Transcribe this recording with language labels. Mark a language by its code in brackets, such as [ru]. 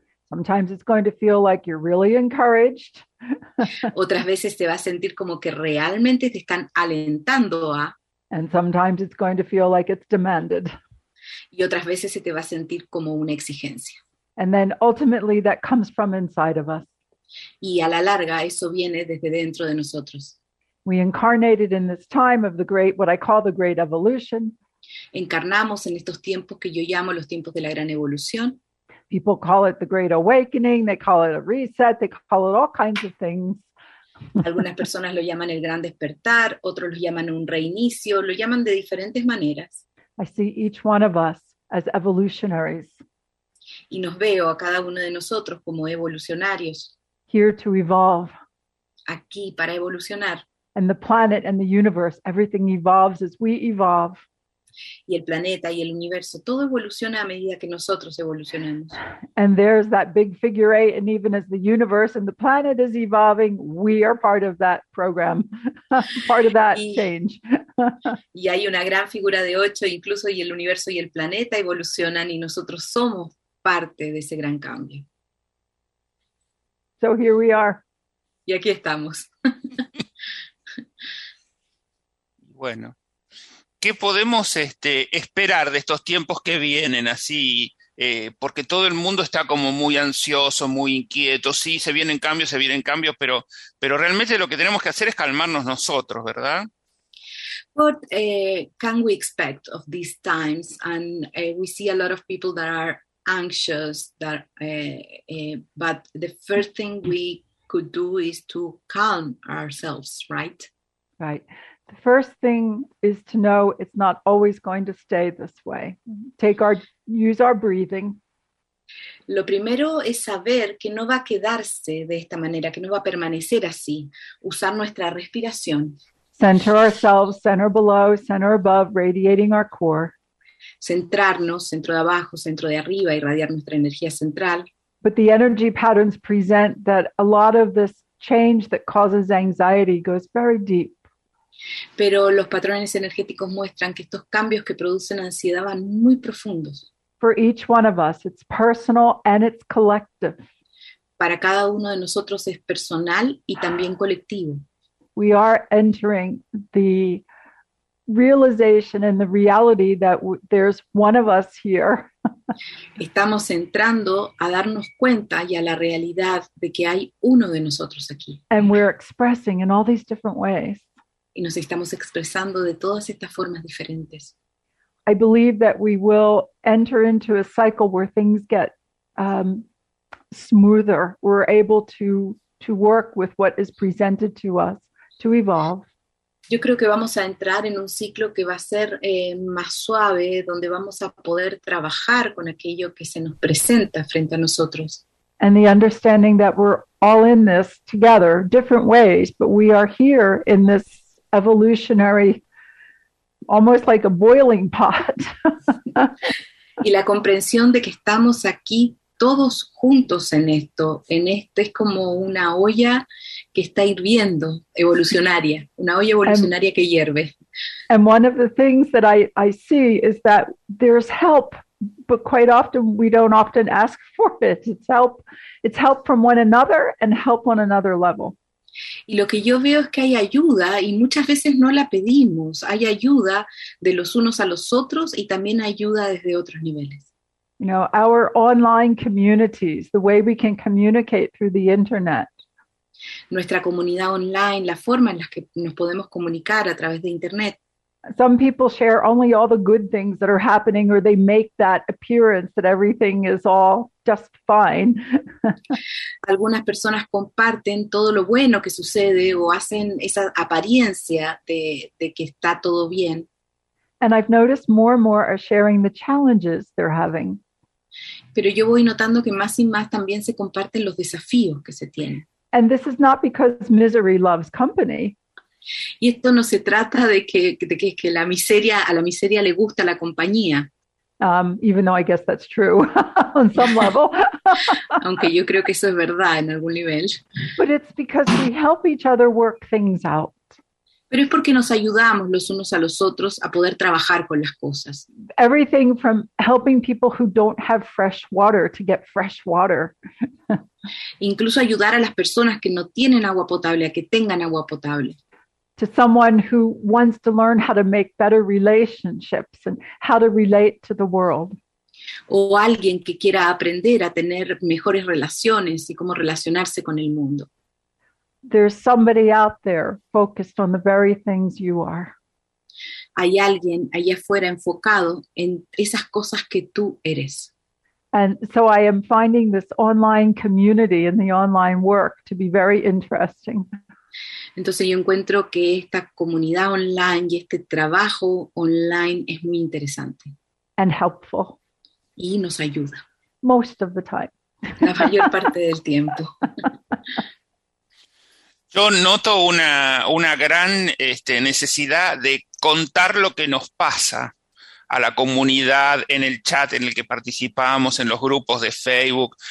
[en] Sometimes it's going to feel like you're really encouraged. [es] Otras veces se va a sentir como que realmente te están alentando a. [en] And sometimes it's going to feel like it's demanded. [es] Y otras veces se te va a sentir como una exigencia. [en] And then ultimately that comes from inside of us. [es] Y a la larga eso viene desde dentro de nosotros. [en] We incarnated in this time of the great, what I call the great evolution. [es] Encarnamos en estos tiempos que yo llamo los tiempos de la gran evolución. [en] People call it the great awakening, they call it a reset, they call it all kinds of things. [es] Algunas personas lo llaman el gran despertar, otros lo llaman un reinicio, lo llaman de diferentes maneras. [en] I see each one of us as evolutionaries. [es] Y nos veo a cada uno de nosotros como evolucionarios. [en] Here to evolve. [es] Aquí para evolucionar. [en] And the planet and the universe, everything evolves as we evolve. [es] Y el planeta y el universo, todo evoluciona a medida que nosotros evolucionamos. [en] And there's that big figure eight, and even as the universe and the planet is evolving, we are part of that program, part of that change. [es] Y hay una gran figura de ocho, incluso y el universo y el planeta evolucionan, y nosotros somos parte de ese gran cambio. [en] So here we are. [es] Y aquí estamos. Bueno. ¿Qué podemos esperar de estos tiempos que vienen así? Porque todo el mundo está como muy ansioso, muy inquieto. Sí, se vienen cambios, pero realmente lo que tenemos que hacer es calmarnos nosotros, ¿verdad? [en] What can we expect of these times? And we see a lot of people that are anxious, but the first thing we could do is to calm ourselves, right? Right. The first thing is to know it's not always going to stay this way. Use our breathing. [es] Lo primero es saber que no va a quedarse de esta manera, que no va a permanecer así. Usar nuestra respiración. [en] Center ourselves, center below, center above, radiating our core. [es] Centrarnos, centro de abajo, centro de arriba, irradiar nuestra energía central. [en] But the energy patterns present that a lot of this change that causes anxiety goes very deep. [es] Pero los patrones energéticos muestran que estos cambios que producen ansiedad van muy profundos. [en] For each one of us, it's personal and it's collective. [es] Para cada uno de nosotros es personal y también colectivo. [en] We are entering the realization and the reality that there's one of us here. [es] Estamos entrando a darnos cuenta y a la realidad de que hay uno de nosotros aquí. [en] And we're expressing in all these different ways. [es] Y nos estamos expresando de todas estas formas diferentes. [en] I believe that we will enter into a cycle where things get smoother. We're able to work with what is presented to us to evolve. [es] Yo creo que vamos a entrar en un ciclo que va a ser más suave, donde vamos a poder trabajar con aquello que se nos presenta frente a nosotros. [en] and the understanding that we're all in this together, different ways, but we are here in this evolutionary, almost like a boiling pot. [es] Y la comprensión de que estamos aquí todos juntos en esto es como una olla que está hirviendo, evolucionaria, una olla evolucionaria que hierve. [en] And one of the things that I see is that there's help, but quite often we don't often ask for it. It's help from one another and help on another level. [es] Y lo que yo veo es que hay ayuda y muchas veces no la pedimos. Hay ayuda de los unos a los otros y también ayuda desde otros niveles. [en] You know, our online communities, the way we can communicate through the internet. [es] Nuestra comunidad online, la forma en la que nos podemos comunicar a través de internet. [en] Some people share only all the good things that are happening, or they make that appearance that everything is all just fine. [es] Algunas personas comparten todo lo bueno que sucede o hacen esa apariencia de que está todo bien. [en] And I've noticed more and more are sharing the challenges they're having. [es] Pero yo voy notando que más y más también se comparten los desafíos que se tienen. [en] And this is not because misery loves company. [es] Y esto no se trata de que la miseria, a la miseria le gusta la compañía. [en] Even though I guess that's true on some level. [es] Aunque yo creo que eso es verdad en algún nivel. [en] But it's because we help each other work things out. [es] Pero es porque nos ayudamos los unos a los otros a poder trabajar con las cosas. [en] Everything from helping people who don't have fresh water to get fresh water. [es] Incluso ayudar a las personas que no tienen agua potable a que tengan agua potable. [en] To someone who wants to learn how to make better relationships and how to relate to the world. [es] O alguien que quiera aprender a tener mejores relaciones y cómo relacionarse con el mundo. [en] There's somebody out there focused on the very things you are. [es] Hay alguien allá afuera enfocado en esas cosas que tú eres. [en] And so I am finding this online community and the online work to be very interesting. [es] Entonces yo encuentro que esta comunidad online y este trabajo online es muy interesante. [en] And helpful. [es] Y nos ayuda. [en] Most of the time. [es] La mayor parte del tiempo. Yo noto una gran necesidad de contar lo que nos pasa a la comunidad en el chat en el que participamos, en los grupos de Facebook.